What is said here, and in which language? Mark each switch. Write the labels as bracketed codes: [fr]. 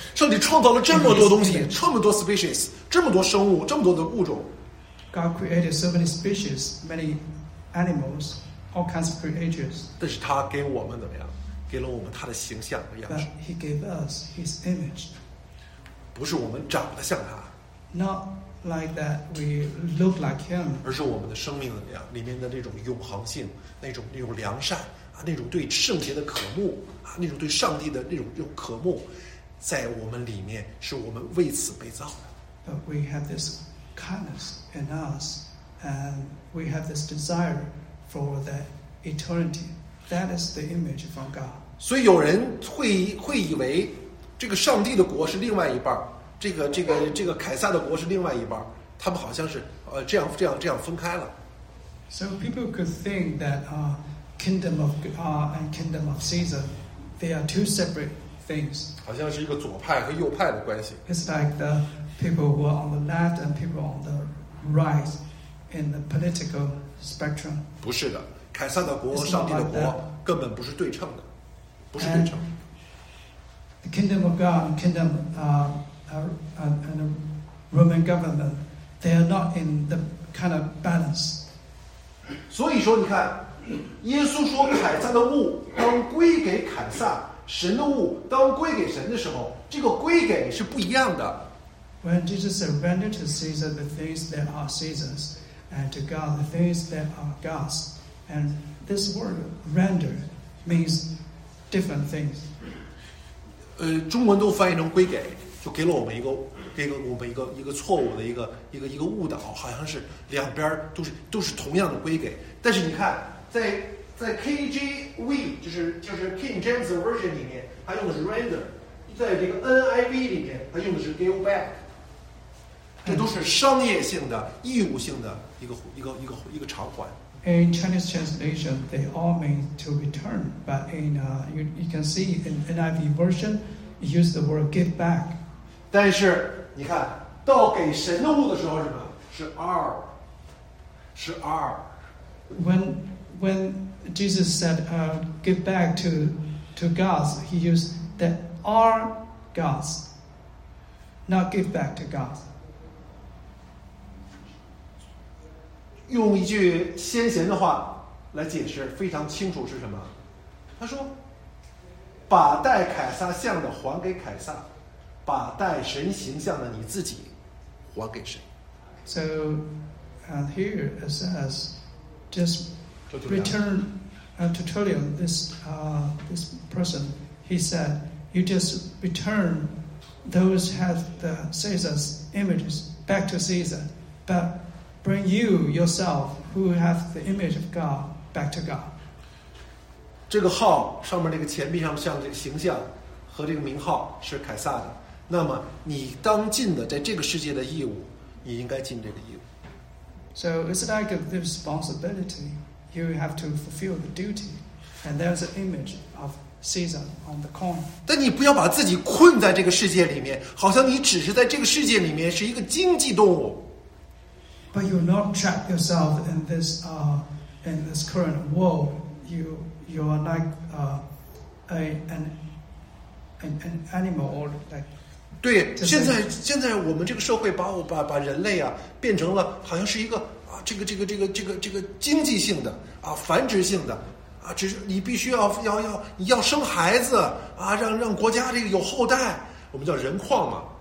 [zh] 上帝创造了这么多东西，这么多 [en] species， [zh] 这么多生物，这么多的物种。 [en] God created so many species, many animals, all kinds of creatures. [zh] 但是他给我们怎么样？给了我们他的形象和样式。 [en] But he gave us his image. [zh] 不是我们长得像他。 [en] Not like that we look like him. [zh] 而是我们的生命怎么样？里面的那种永恒性，那种良善。那种对圣洁的渴慕啊，那种对上帝的那种渴慕，在我们里面，是我们为此被造的。 [en] But we have this kindness in us, and we have this desire for the eternity. That is the image from God. [zh] 所以有人会以为，这个上帝的国是另外一半，这个凯撒的国是另外一半，他们好像是这样分开了。 [en] So people could think that Kingdom of God and Kingdom of Caesar, they are two separate things. [zh] 好像是一个左派和右派的关系。 [en] It's like the people who are on the left and people on the right in the political spectrum. [zh] 不是的，凯撒的国和上帝的国根本不是对称的，不是对称。 [en] The Kingdom of God and Kingdom and Roman government, they are not in the kind of balance. [zh] 所以说，你看。耶稣说凯撒的物当归给凯撒神的物当归给神的时候这个归给是不一样的 [en] When Jesus surrendered to Caesar the things that are Caesar's and to God the things that are God's and this word render means different things [zh] 中文都翻译成归给就给了我们一个一个错误的一个误导好像是两边都是同样的归给但是你看在 KJV 就是 King James Version 里面，它用的是 render， 在这个 NIV 里面，它用的是 [en] give back， [zh] 这都是商业性的、义务性的一个偿还。 [en] In Chinese translation, they all mean to return, but in you can see in NIV version, it uses the word give back。 [zh] 但是你看到给神的物的时候是什么？是R。 [en] When Jesus said, "Give back to God," he used the "are God." not give back to God. [zh] 用一句先贤的话来解释非常清楚是什么，他说把带凯撒像的还给凯撒，把带神形象的你自己还给谁。 [en] So here it says just return to Tullio, this person, he said you just return those have the Caesar's images back to Caesar, but bring you yourself who have the image of God back to God. [zh] 这个号上面这个钱币上像这个形象和这个名号是凯撒的，那么你当尽的在这个世界的义务，你应该尽这个义务。 [en] So it's like the responsibility, you have to fulfill the duty, and there's an image of Caesar on the coin. [zh] 但你不要把自己困在这个世界里面，好像你只是在这个世界里面是一个经济动物。 [en] But you're not trapped yourself in this current world. You are like an animal or like. [zh] 对，现在我们这个社会把人类啊变成了好像是一个啊这个经济性的啊繁殖性的啊，只是你必须要生孩子啊，让国家这个有后代，我们叫人矿嘛。